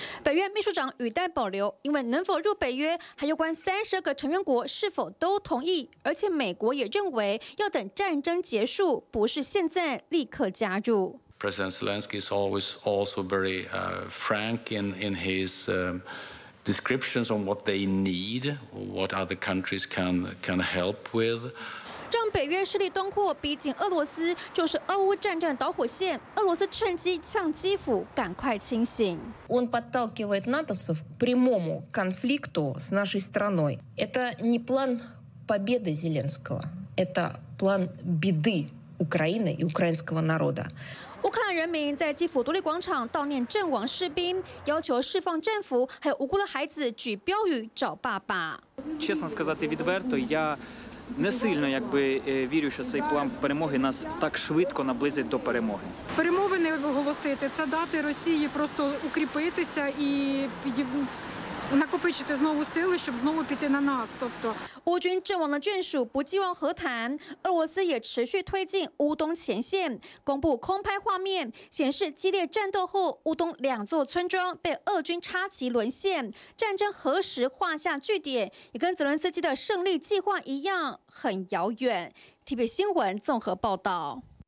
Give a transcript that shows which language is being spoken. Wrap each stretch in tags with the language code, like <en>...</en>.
<zh>北约秘书长语带保留，因为能否入北约还有关32个成员国是否都同意，而且美国也认为要等战争结束，不是现在立刻加入。</zh> <en>President Zelensky is always also very frank in his descriptions on what they need, what other countries can help with.</en> <zh>让北约势力东扩逼近俄罗斯，就是俄乌战争的导火线。俄罗斯趁机呛基辅，赶快清醒。</zh> <ru>Он подталкивает натовцев к прямому конфликту с нашей страной. Это не план победы Зеленского, это план беды Украины и украинского народа.</ru> <zh>乌克兰人民在基辅独立广场悼念阵亡士兵，要求释放战俘，还有无辜的孩子举标语找爸爸。</zh> <uk>Чесно сказати відверто, я не сильно якби вірю, що цей план перемоги нас так швидко наблизить до перемоги. Перемови не оголосити, це дати Росії просто укріпитися і накопичити знову сили, щоб знову піти на нас. Тобто</uk> <zh>乌军阵亡的眷属不寄望和谈，俄罗斯也持续推进乌东前线，公布空拍画面，显示激烈战斗后，乌东两座村庄被俄军插旗沦陷。战争何时画下句点，也跟泽连斯基的胜利计划一样，很遥远。TVBS 新闻综合报道。</zh>